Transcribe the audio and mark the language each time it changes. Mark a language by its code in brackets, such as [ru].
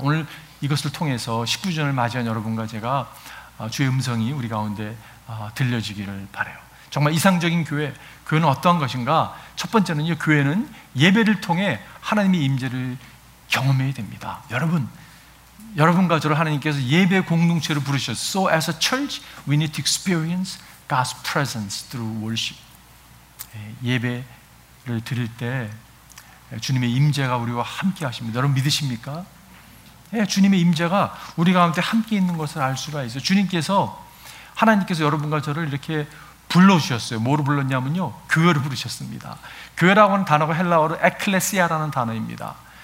[ko] 오늘 이것을 통해서 19전을 맞이한 여러분과 제가 주의 음성이 우리 가운데 들려지기를 바라요. 정말 이상적인 교회, 교회는 어떠한 것인가? 첫 번째는요, 교회는 예배를 통해 하나님의 임재를 경험해야 됩니다. 여러분, 여러분과 저를 하나님께서 예배 공동체로 부르셨어요. [en] So as a church, we need to experience God's presence through worship. [ko] 예배를 드릴 때 주님의 임재가 우리와 함께 하십니다. 여러분 믿으십니까? 예, 주님의 임재가 우리 가운데 함께 있는 것을 알 수가 있어요. 주님께서, 하나님께서 여러분과 저를 이렇게 불러주셨어요. 뭐로 불렀냐면요, 교회를 부르셨습니다. 교회라고 하는 단어가 헬라어로 에클레시아라는 단어입니다.